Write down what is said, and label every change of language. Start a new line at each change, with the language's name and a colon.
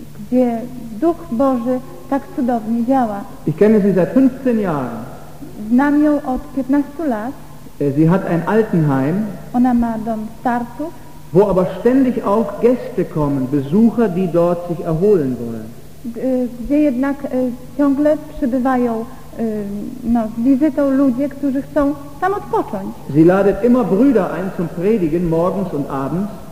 Polish: Gdzie Duch Boży tak cudownie działa.
German: Ich kenne sie seit 15 Jahren.
Polish: Znam ją od 15 lat.
German: Sie hat ein Altenheim.
Polish: Ona ma dom starców.
German: Wo aber ständig auch Gäste kommen, Besucher, die dort sich erholen wollen.
Polish: Gdzie jednak ciągle przybywają z wizytą ludzie, którzy chcą tam odpocząć.
German: Sie ladet immer Brüder ein zum Predigen, morgens und abends.